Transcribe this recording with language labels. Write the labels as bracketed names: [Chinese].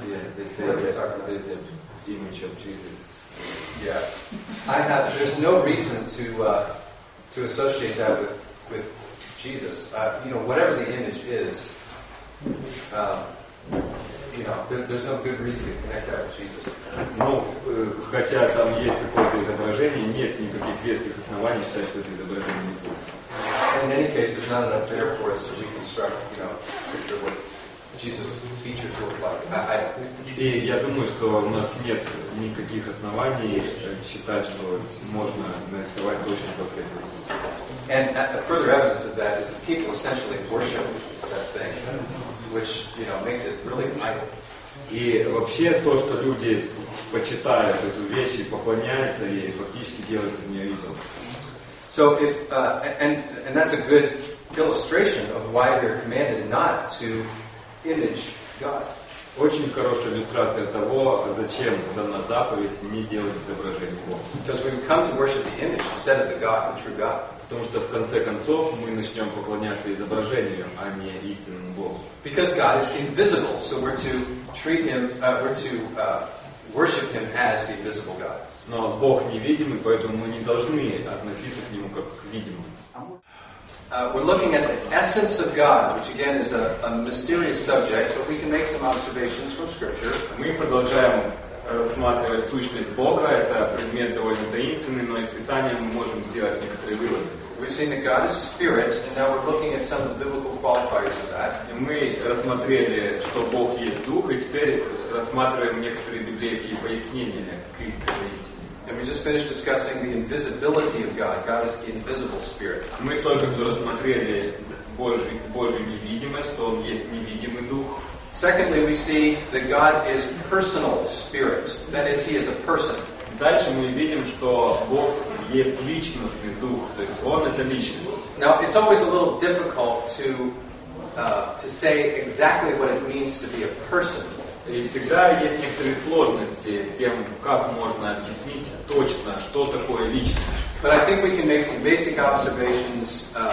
[English] Yeah, they say that there's an image of Jesus. Yeah. There's no reason to associate that with Jesus. Whatever the image is, there's no good reason to connect that with Jesus. [Russian] Ну, хотя там есть какое-то изображение, нет никаких веских оснований считать, что это изображение Иисуса. [English] In any case, there's not enough there for us to reconstruct, picture what Jesus' features look like. [Russian] И я думаю, что у нас нет никаких оснований считать, что можно нарисовать точно портрет Иисуса. [English] And further evidence of that is that people essentially worship that thing. Which makes it really idle. [Russian] И вообще то, что люди почитают эту вещь и поклоняются ей, фактически делают из нее идол. [English] So if and that's a good illustration of why they're commanded not to image God. [Russian] Очень хорошая иллюстрация того, зачем дана заповедь не делать изображение Бога. [English] Because we come to worship the image instead of the God, the true God. [Russian] Потому что в конце концов мы начнем поклоняться изображению, а не истинному Богу. [English] Because God is invisible, so we're to treat him, we're to worship him as the invisible God. [Russian] Но Бог невидимый, поэтому мы не должны относиться к нему как к видимому. [English] We're looking at the essence of God, which again is a mysterious subject, but we can make some observations from Scripture. [Russian] Мы продолжаем рассматривать сущность Бога. Это предмет довольно таинственный, но из Писания мы можем сделать некоторые выводы. [English] We've seen that God is spirit, and now we're looking at some of the biblical qualifiers of that. [Russian] И мы рассмотрели, что Бог есть дух, и теперь рассматриваем некоторые библейские пояснения к этой истине. [English] And we just finished discussing the invisibility of God. God is invisible spirit. [Russian] Мы только что рассмотрели Божью невидимость, что Он есть невидимый дух. [English] Secondly, we see that God is personal spirit. That is, He is a person. [Russian] Дальше мы видим, что Бог есть личностный дух, то есть Он это личность. [English] Now, it's always a little difficult to say exactly what it means to be a person. [Russian] И всегда есть некоторые сложности с тем, как можно объяснить точно, что такое личность. [English] But I think we can make some basic observations.